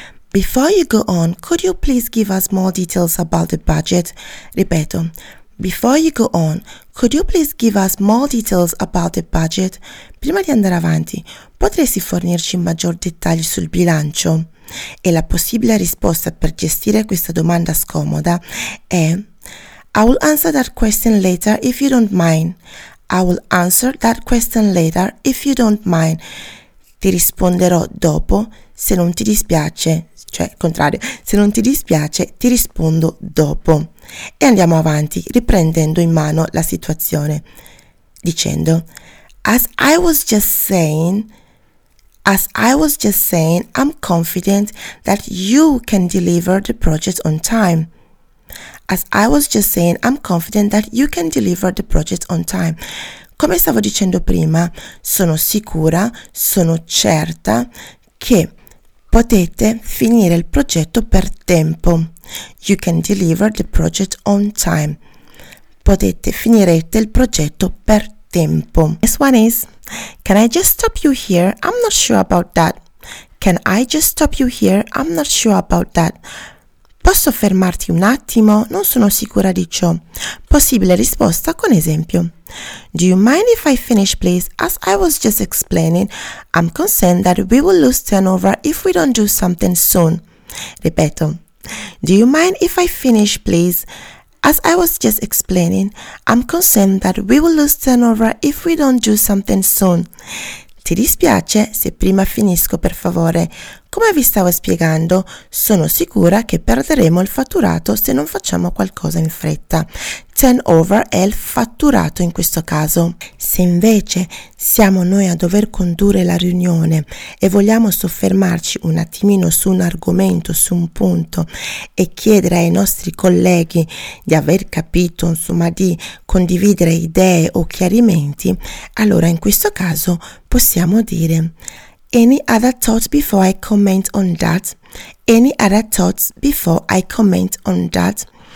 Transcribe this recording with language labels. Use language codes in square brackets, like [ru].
[en] Before you go on, could you please give us more details about the budget? [it] Ripeto, [en] before you go on, could you please give us more details about the budget? [it] Prima di andare avanti, potresti fornirci maggiori dettagli sul bilancio? E la possibile risposta per gestire questa domanda scomoda è, [en] I will answer that question later if you don't mind. I will answer that question later if you don't mind. [it] Ti risponderò dopo se non ti dispiace. Cioè, contrario, se non ti dispiace, ti rispondo dopo. E andiamo avanti, riprendendo in mano la situazione, dicendo, [en] As I was just saying, I'm confident that you can deliver the project on time. As I was just saying, I'm confident that you can deliver the project on time. [it] Come stavo dicendo prima, sono sicura, sono certa che potete finire il progetto per tempo. [en] You can deliver the project on time. [it] Potete finirete il progetto per tempo. [en] This one is, Can I just stop you here? I'm not sure about that. Can I just stop you here? I'm not sure about that. [it] Posso fermarti un attimo? Non sono sicura di ciò. Possibile risposta con esempio. [en] Do you mind if I finish, please? As I was just explaining, I'm concerned that we will lose turnover if we don't do something soon. [it] Ripeto. [en] Do you mind if I finish, please? As I was just explaining, I'm concerned that we will lose turnover if we don't do something soon. [it] Ti dispiace se prima finisco, per favore? Come vi stavo spiegando, sono sicura che perderemo il fatturato se non facciamo qualcosa in fretta. Turnover è il fatturato in questo caso. Se invece siamo noi a dover condurre la riunione e vogliamo soffermarci un attimino su un argomento, su un punto, e chiedere ai nostri colleghi di aver capito, insomma, di condividere idee o chiarimenti, allora in questo caso possiamo dire: [en] Any other thoughts before I comment on that? Any other thoughts before I comment on that?